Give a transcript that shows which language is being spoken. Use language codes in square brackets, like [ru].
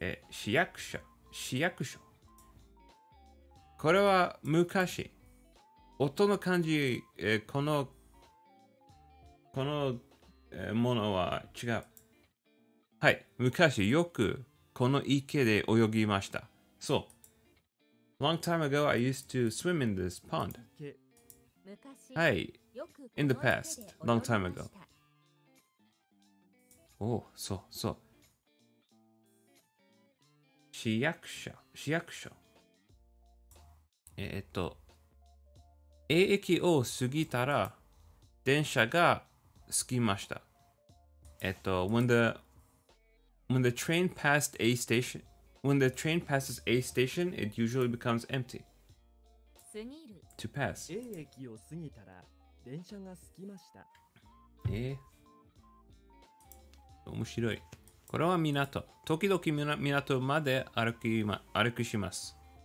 [ja] 市役所、市役所。これは昔。音の感じ、この、ものは違う。はい、昔よくこの池で泳ぎました。そう。 [en] Long time ago, I used to swim in this pond. はい、in the past, long time ago. [ja] おお、そう、そう。市役所、市役所。 A 駅を過ぎたら、電車が着きました。 [en] When the train passed A station,When the train passes A station, it usually becomes empty. To pass. [ja] A 駅を過ぎたら電車が着きました。面白い。これは港。時々港まで歩きします。